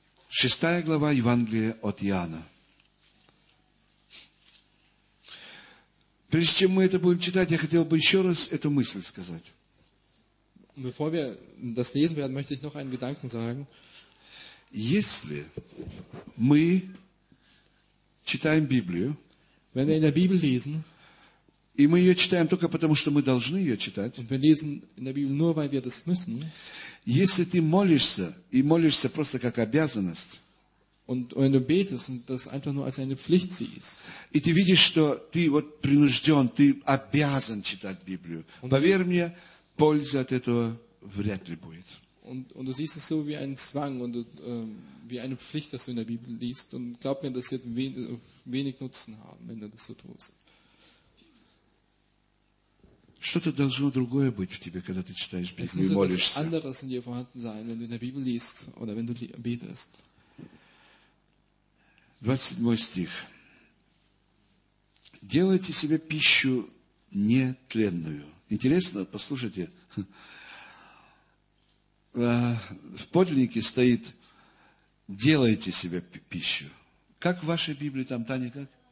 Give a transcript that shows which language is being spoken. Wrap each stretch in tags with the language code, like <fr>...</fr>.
<ru>6 глава Евангелия от Иоанна. Прежде чем мы это будем читать, я хотел бы еще раз эту мысль сказать.</ru> <de>Bevor wir das lesen werden, möchte ich noch einen Gedanken sagen.</de> <ru>Если мы читаем Библию,</ru> <de>wenn wir in der Bibel lesen,</de> <ru>и мы ее читаем только потому, что мы должны ее читать,</ru> <de>und wir lesen in der Bibel nur, weil wir das müssen,</de> <ru>если ты молишься, и молишься просто как обязанность,</ru> <de>und wenn du betest und das einfach nur als eine Pflicht siehst,</de> <ru>и ты видишь, что ты вот принужден, ты обязан читать Библию, und поверь мне, пользы от этого вряд ли будет.</ru> <de>Und du siehst es so wie einen Zwang und wie eine Pflicht, dass du in der Bibel liest. Und glaub mir, das wird wenig Nutzen haben, wenn du das so tust.</de> <ru>Что-то должно другое быть в тебе, когда ты читаешь Библию и молишься.</ru> <de>Es muss etwas anderes in dir vorhanden sein, wenn du in der Bibel liest oder wenn du betest.</de> <ru>27 стих. Делайте себе пищу нетленную. Интересно, послушайте. В подлиннике стоит «делайте себе пищу». Как в вашей Библии там, Таня, как?</ru>